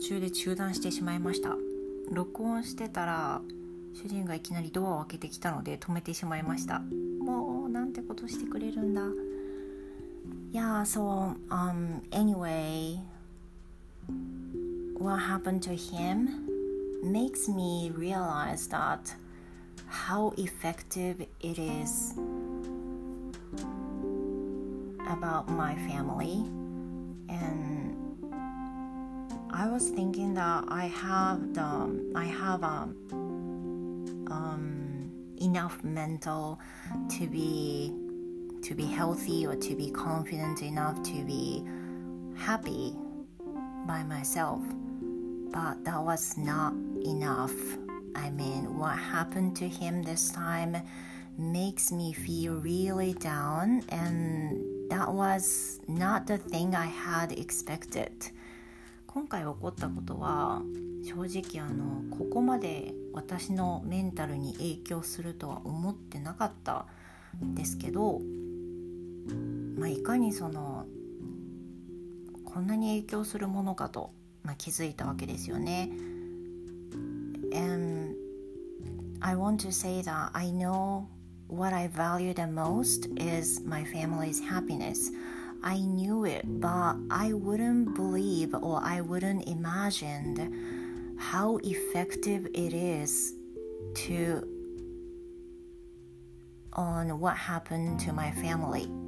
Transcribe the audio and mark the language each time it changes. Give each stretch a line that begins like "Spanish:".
Japanese: 中断してしまいました。録音してたら主人がいきなりドアを開けてきたので止めてしまいました。もうなんてことしてくれるんだ。
English: Yeah, so, anyway, what happened to him makes me realize that how effective it is about my family. And I was thinking that I have enough mental to be healthy or to be confident enough to be happy by myself. But that was not enough. I mean, what happened to him this time makes me feel really down, and that was not the thing I had expected.
Japanese: 今回起こったことは正直ここまで私のメンタルに影響するとは思ってなかったですけど、いかにこんなに影響するものかと、気づいたわけですよね。
English: And I want to say that I know what I value the most is my family's happiness. I knew it, but I wouldn't believe or I wouldn't imagine how effective it is to on what happened to my family.